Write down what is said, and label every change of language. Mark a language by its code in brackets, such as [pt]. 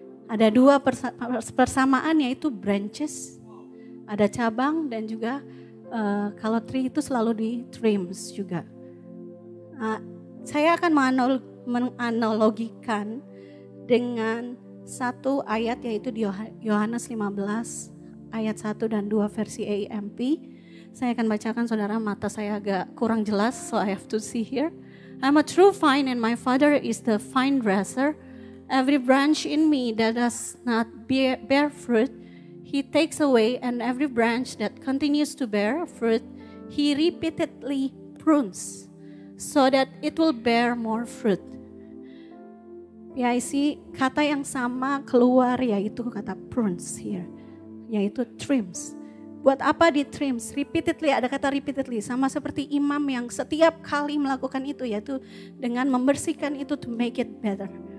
[id] Ada dua persamaan yaitu branches, ada cabang dan juga kalau tree itu selalu di trims juga. Saya akan menganalogikan dengan satu ayat yaitu di Yohanes 15 ayat 1 dan 2 versi AMP. Saya akan bacakan saudara, mata saya agak kurang jelas, [en] so I have to see here. I'm a true vine and my father is the vine dresser. Every branch in me that does not bear fruit, he takes away, and every branch that continues to bear fruit, he repeatedly prunes so that it will bear more fruit. [id] Ya, isi kata yang sama keluar yaitu kata prunes here, yaitu trims. Buat apa di trims? Repeatedly, ada kata repeatedly. Sama seperti imam yang setiap kali melakukan itu, yaitu dengan membersihkan itu [en] to make it better.